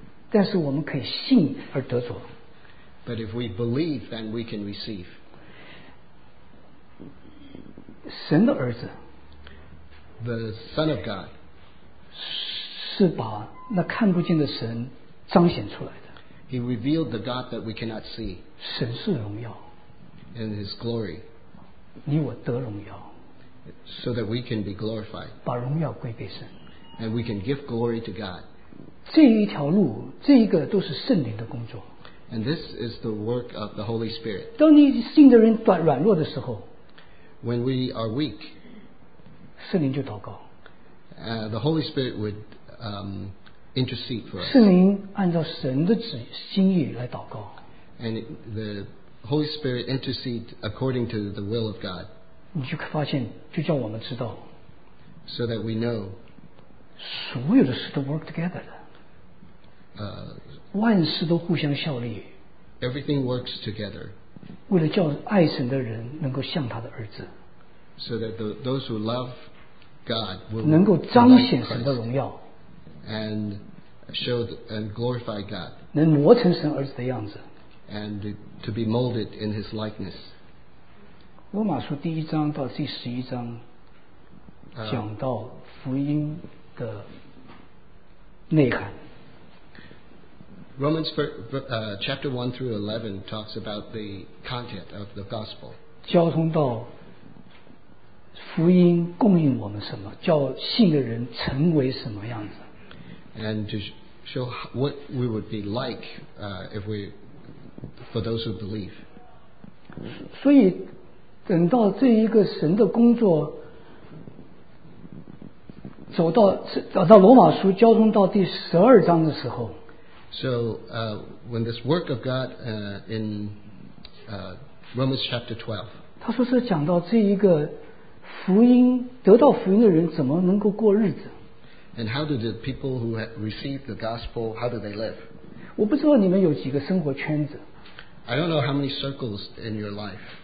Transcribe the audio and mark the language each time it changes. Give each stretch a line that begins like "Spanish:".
Chinese: 但是我们可以信而得着。
English: But if we believe, then we can receive.
Chinese: 神的儿子
English: The Son of God
Chinese: 是把那看不见的神彰显出来的。
English: He revealed the God that we cannot see.
Chinese: 神是荣耀。
English: And his glory.
Chinese: 你我得荣耀。
English: So that we can be glorified.
Chinese: 把荣耀归给神。
English: And we can give glory to God.
Chinese: 这一条路，这一个都是圣灵的工作。
English: And this is the work of the Holy Spirit.
Chinese: 当你信的人软弱的时候，
English: When we are weak,
Chinese: 圣灵就祷告。
English: The Holy Spirit would intercede for us.
Chinese: 圣灵按照神的心意来祷告。
English: And the Holy Spirit intercede according to the will of God.
Chinese: 你就发现，就叫我们知道。
English: So that we know.
Chinese: 所有的事都
English: work together.
Chinese: 万事都互相效力。
English: Everything works together.
Chinese: 为了叫爱神的人能够像他的儿子。
English: So that those who love God will
Chinese: 能够彰显神的荣耀，
English: and show and glorify God，
Chinese: 能磨成神儿子的样子，
English: and to be molded in His likeness。
Chinese: 罗马书第一章到第十一章讲到福音的内涵。
English: Romans chapter 1 through 11 talks about the content of the gospel。
Chinese: 交通道。福音供应我们什么？叫信的人成为什么样子
English: ？And to show what we would be like if we for those who believe.
Chinese: 所以等到这一个神的工作走到罗马书交通到第十二章的时候
English: ，So when this work of God in Romans chapter 12，
Chinese: 他说是讲到这一个。福音得到福音的人怎么能够过日子
English: ？And how do the people who receive the gospel how do they live？
Chinese: 我不知道你们有几个生活圈子。
English: I don't know how many circles in your life。